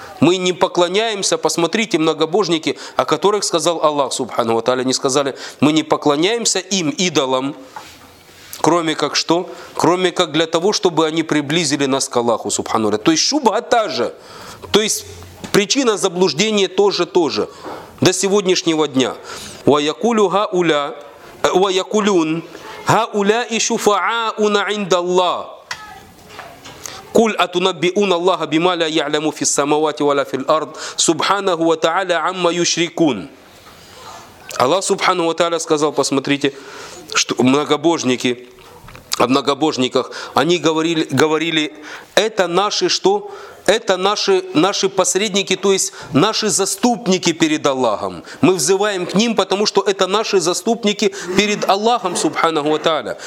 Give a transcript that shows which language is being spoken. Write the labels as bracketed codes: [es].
[ru] Мы не поклоняемся, посмотрите, многобожники, о которых сказал Аллах, субхану ва та'аля, они сказали, мы не поклоняемся им, идолам, кроме как что? Кроме как для того, чтобы они приблизили нас к Аллаху, субхану ва та'аля. То есть шубха та же, то есть причина заблуждения тоже, до сегодняшнего дня. [ar] «Ва якулю га уля». ويقولون هؤلاء شفعاؤنا عند الله قل أتنبئون الله بما لا يعلم في السماوات ولا في الأرض سبحانه وتعالى عما يشركون. [ru] Аллах Субхану ва Тааля сказал, посмотрите, что многобожники, о многобожниках, они говорили, это наши что? Это наши посредники, то есть наши заступники перед Аллахом. Мы взываем к ним, потому что это наши заступники перед Аллахом, Субханаху ва Тааля.